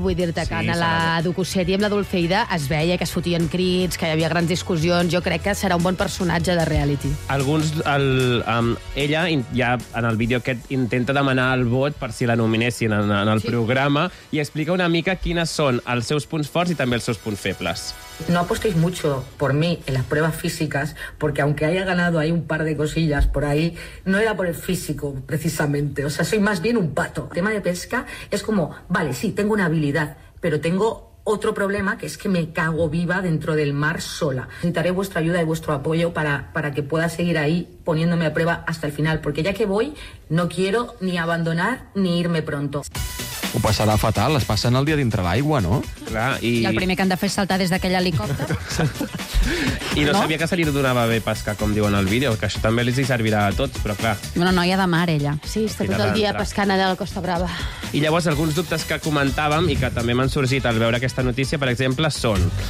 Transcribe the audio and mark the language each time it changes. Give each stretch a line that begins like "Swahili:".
Catalan: Vull dir-te que en la docu-sèrie amb la Dulceida es veia que es fotien crits, que hi havia grans discussions. Jo crec que serà un bon personatge de reality. Alguns, ella ja en el vídeo aquest intenta demanar el vot per si la nominessin en el programa i explica una mica quines són els seus punts forts i també els seus punts febles.
Spanish: No apostéis mucho por mí en las pruebas físicas porque aunque haya ganado ahí un par de cosillas por ahí, no era por el físico precisamente, o sea, soy más bien un pato. El tema de pesca es como, vale, sí, tengo una habilidad, pero tengo otro problema que es que me cago viva dentro del mar sola. Necesitaré vuestra ayuda y vuestro apoyo para que pueda seguir ahí poniéndome a prueba hasta el final, porque ya que voy, no quiero ni abandonar ni irme pronto.
Catalan: Ho passarà fatal, es passen el dia dintre l'aigua, no? Clar, i el primer que han de fer és saltar des d'aquell helicòpter. I no sabia que se li donava bé pescar, com diuen al vídeo, que això també li servirà a tots, però clar... Una noia de mar, ella. Sí, està tot el dia pescant allà a la Costa Brava. I llavors, alguns dubtes que comentàvem i que també m'han sorgit al veure aquesta notícia, per exemple, són...